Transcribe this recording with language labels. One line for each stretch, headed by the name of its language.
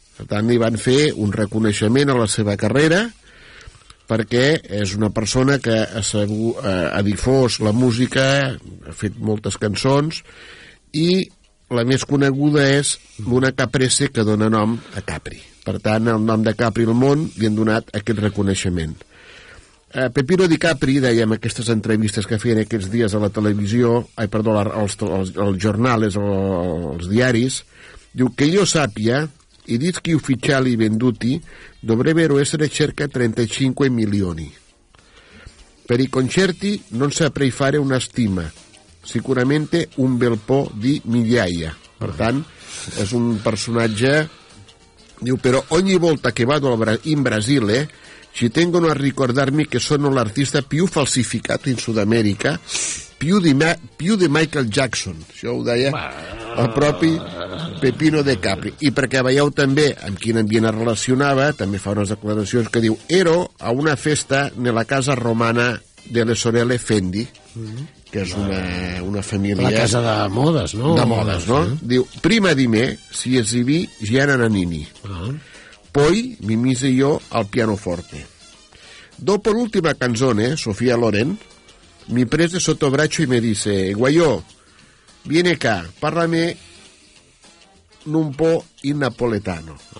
Catalan: Per tant, li van fer un reconeixement a la seva carrera, perquè és una persona que ha difós la música, ha fet moltes cançons, i la més coneguda és l'una caprese que dona nom a Capri. Per tant, el nom de Capri al món li han donat aquest reconeixement. Pepino Di Capri, dèiem, aquestes entrevistes que feien aquests dies a la televisió, als jornals, als diaris, diu que jo sàpia...
Italian: i dischi ufficiali venduti dovrebbero essere circa 35 milioni. Per i concerti non saprei fare una stima, sicuramente un bel po' di migliaia.
Catalan: Per tant, és un personatge, diu, però
Italian: ogni volta che vado in Brasile ci tengono a ricordarmi che sono l'artista più falsificato in Sud America, più di Michael Jackson.
Catalan: Això ho deia el propi Pepino Di Capri. I perquè veieu també amb quin ambient es relacionava, també fa unes declaracions que diu:
Italian: ero a una festa nella casa romana delle sorelle Fendi,
Catalan: que és una família... La casa de modes, no? De modes, no? Sí.
Italian: Diu, prima di me si esibì Gianna Nannini. Poi mi mise io al pianoforte. Dopo l'ultima canzone, Sofia Loren, mi prese sotto braccio e mi disse: guaiò, viene qua, parlami un po' in napoletano.